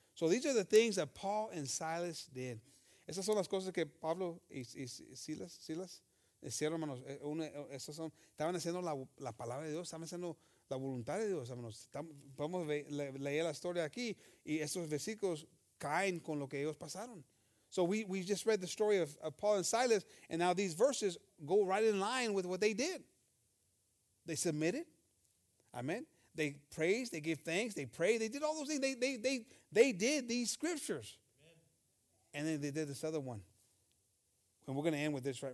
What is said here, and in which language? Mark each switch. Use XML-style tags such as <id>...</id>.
<en>So these are the things that Paul and Silas did.</en> <es>Esas son las cosas que Pablo y Silas hicieron, hermanos. Estaban haciendo la palabra de Dios, estaban haciendo la voluntad de Dios, hermanos. Podemos leer la historia aquí y estos versículos caen con lo que ellos pasaron.</es> <en>So we just read the story of Paul and Silas, and now these verses go right in line with what they did. They submitted. Amen. They praised, they gave thanks, they prayed, they did all those things. They did these scriptures. Amen. And then they did this other one. And we're going to end with this, right?</en>